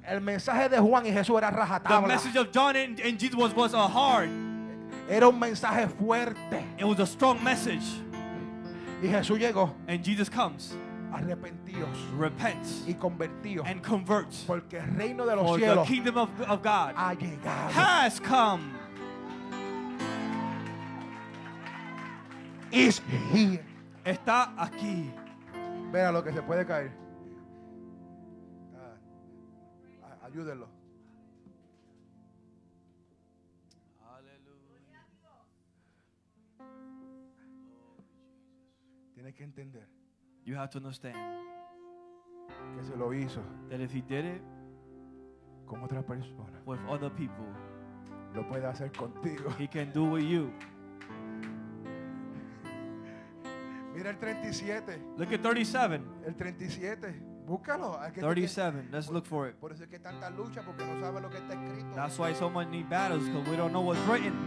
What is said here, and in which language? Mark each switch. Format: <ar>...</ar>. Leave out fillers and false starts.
<es>El mensaje de Juan y Jesús era rajatabla.</es> <en>The message of John and Jesus was a hard.</en> <es>Era un mensaje fuerte.</es> <en>It was a strong message.</en> <es>Y Jesús llegó.</es> <en>And Jesus comes.</en> <es>Arrepentidos.</es> <en>Repents.</en> <es>Y convertidos.</es> <en>And converts.</en> <es>Porque el reino de los cielos.</es> <en>The kingdom of God.</en> <es>Ha llegado.</es> <en>Has come. Is here.</en> <es>Está aquí. Vea lo que se puede caer. Ayúdenlo. Aleluya. Tienes que entender.</es> <en>You have to understand.</en> <es>Que se lo hizo.</es> <en>That if he did it.</en> <es>Con otras personas.</es> <en>With other people.</en> <es>Lo puede hacer contigo.</es> <en>He can do with you.</en> <es>Mira el 37.</es> <en>Look at 37.</en> <es>El 37. Búscalo.</es> <en>37. Let's look for it.</en> <es>Por eso es que tanta lucha porque no sabe lo que está escrito.</es> <en>That's why so many battles because we don't know what's written.</en>